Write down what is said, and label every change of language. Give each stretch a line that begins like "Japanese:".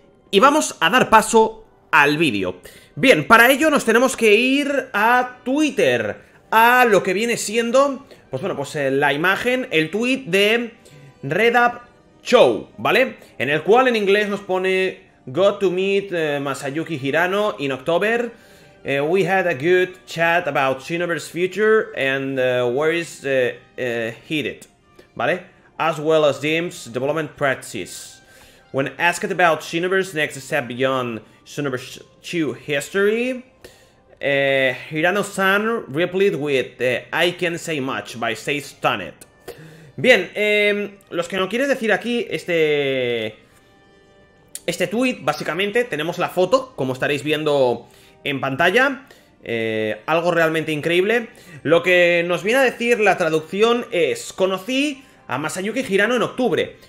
Spanish: Y vamos a dar paso al vídeo. Bien, para ello nos tenemos que ir a Twitter, a lo que viene siendo, pues bueno, pues la imagen, el tweet de Redup Show, ¿vale? En el cual en inglés nos pone:
English: "Got to meet Masayuki Hirano in October. We had a good chat about Xenoverse future and where is heated, ¿vale? As well as Dim's development practices. When asked about Xenoverse next step beyond Xenoverse 2 history, Hirano-san replied with I can't say much, but stay stunned."
Spanish: Bien, los que no quieres decir aquí, este tweet, básicamente, tenemos la foto, como estaréis viendo en pantalla, algo realmente increíble. Lo que nos viene a decir la traducción es: conocí a Masayuki Hirano en octubre.